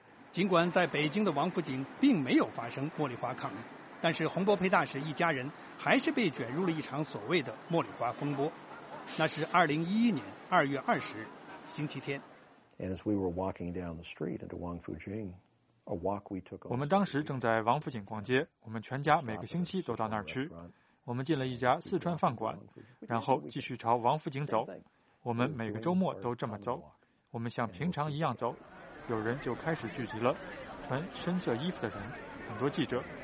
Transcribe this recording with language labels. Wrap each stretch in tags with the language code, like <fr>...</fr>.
<zh>尽管在北京的王府井并没有发生茉莉花抗议，但是洪博培大使一家人还是被卷入了一场所谓的茉莉花风波。那是2011年2月20日，星期天。</zh> <en>And as we were walking down the street into Wang Fu Jing, a walk we took.</en> <zh>我们当时正在王府井逛街，我们全家每个星期都到那儿去。我们进了一家四川饭馆，然后继续朝王府井走。我们每个周末都这么走。我们像平常一样走，有人就开始聚集了，穿深色衣服的人，很多记者。</zh>